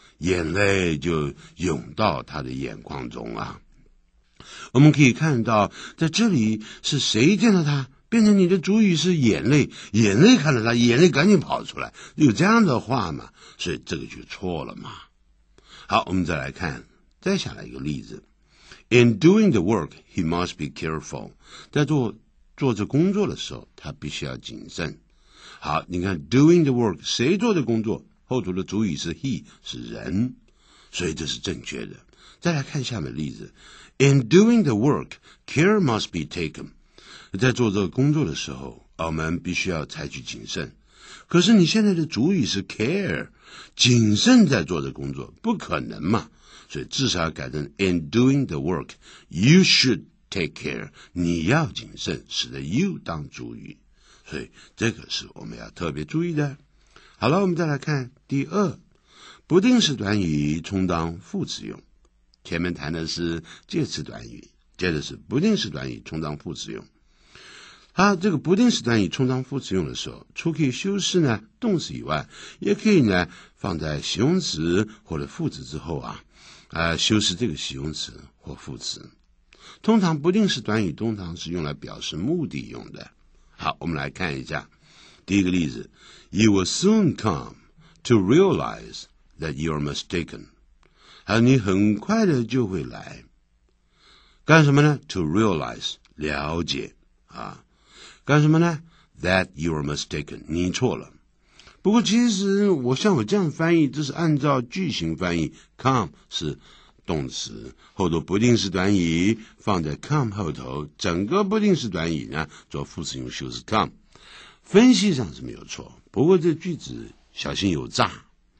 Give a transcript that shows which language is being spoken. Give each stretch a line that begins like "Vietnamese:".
Chinese: 眼泪就涌到他的眼眶中啊。我们可以看到在这里是谁见到他，变成你的主语是眼泪，眼泪看到他，眼泪赶紧跑出来，有这样的话吗？所以这个就错了嘛。好，我们再来看再下来一个例子。
English: In doing the work, he must be careful.
Chinese: 在做这工作的时候，他必须要谨慎。好，你看
English: doing the work,
Chinese: 谁做的工作，后头的主语是 he, 是人。所以这是正确的。再来看下面的例子。
English: In doing the work, care must be taken.
Chinese: 在做这个工作的时候，我们必须要采取谨慎。可是你现在的主语是 care, 谨慎在做的工作，不可能嘛。所以至少要改成
English: in doing the work, you should take care,
Chinese: 你要谨慎，使得 you 当主语。所以这个是我们要特别注意的。好了，我们再来看第二，不定式短语充当副词用。前面谈的是介词短语，接着是不定式短语充当副词用。啊，这个不定式短语充当副词用的时候，除可以修饰呢动词以外，也可以呢放在形容词或者副词之后啊，修饰这个形容词或副词。通常不定式短语通常是用来表示目的用的。好，我们来看一下第一个例子。
English: You will soon come to realize that you are mistaken.
Chinese: 好，你很快的就会来干什么呢？
English: To realize,
Chinese: 了解啊，干什么呢？
English: That you are mistaken,
Chinese: 你错了。不过其实我像我这样翻译，这是按照句型翻译， come 是动词，后头不定式短语放在 come 后头，整个不定式短语呢做副词用修饰 come， 分析上是没有错，不过这句子小心有诈。